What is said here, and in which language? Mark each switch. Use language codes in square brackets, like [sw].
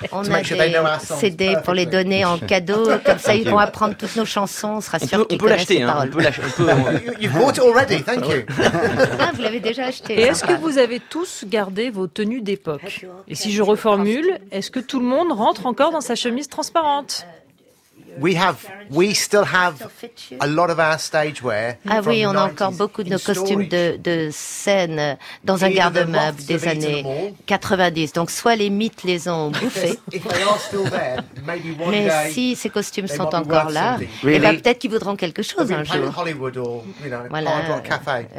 [fr] On a des CD pour les donner en cadeau, comme ça ils vont apprendre toutes nos chansons, on sera sûr qu'ils connaissent les paroles. On peut l'acheter, [en] You've bought it already, thank you. [fr] Vous l'avez déjà acheté. Et est-ce que vous avez tous gardé vos tenues d'époque? Et si je reformule, est-ce que tout le monde rentre encore dans sa chemise transparente? [en] We still have a lot of our stage wear. [fr] Ah oui, on a encore beaucoup de nos costumes de scène dans un garde-meuble des années 90. Donc soit les mythes les ont bouffés. Mais si ces costumes sont encore là, [en] really? [fr] Et bah, peut-être qu'ils voudront quelque chose un jour. Hollywood or, voilà. Cafe.